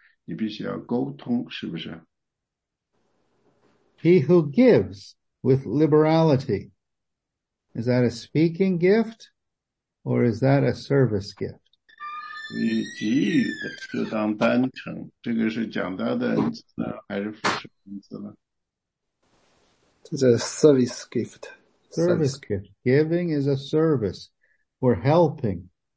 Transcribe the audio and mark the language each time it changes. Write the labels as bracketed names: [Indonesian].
[Chinese] 这个是讲道的恩赐。如果你要是劝诫或者说是鼓励人去做一些事情呢，你必须要沟通，是不是？ [English] He who gives with liberality, is that a speaking gift or is that a service gift? [Chinese] 你给予的就当单程，这个是讲道的恩赐呢，还是服侍恩赐呢？ [English] It's a service gift. Service gift. Giving is a service. We're helping.